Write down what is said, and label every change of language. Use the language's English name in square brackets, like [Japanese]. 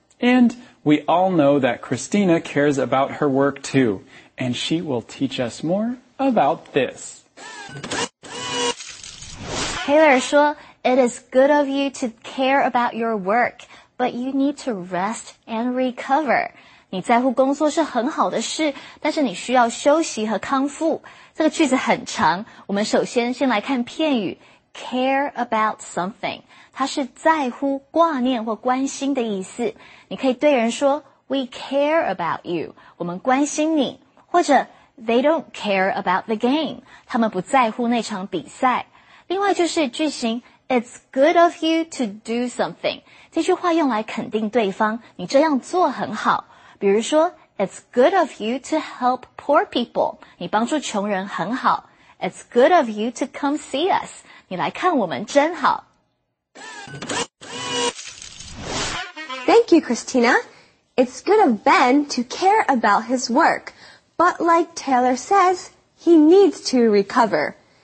[English] And we all know that Christina cares about her work too, and she will teach us more about this. Taylor 说, it is good of you to care about your work, but you need to rest and recover. [Chinese] 你在乎工作是很好的事，但是你需要休息和康复。这个句子很长，我们首先来看片语 care about something， 它是在乎、挂念或关心的意思。你可以对人说 [English] we care about you， [Chinese] 我们关心你，或者 [English] they don't care about the game， [Chinese] 他们不在乎那场比赛。另外就是句型 [English] It's good of you to do something. [Chinese] 这句话用来肯定对方，你这样做很好。比如说 [English] ,It's good of you to help poor people. [Chinese] 你帮助穷人很好。 [English] It's good of you to come see us. [Chinese] 你来看我们真好。 [English] Thank you, Christina. It's good of Ben to care about his work. But like Taylor says, he needs to recover.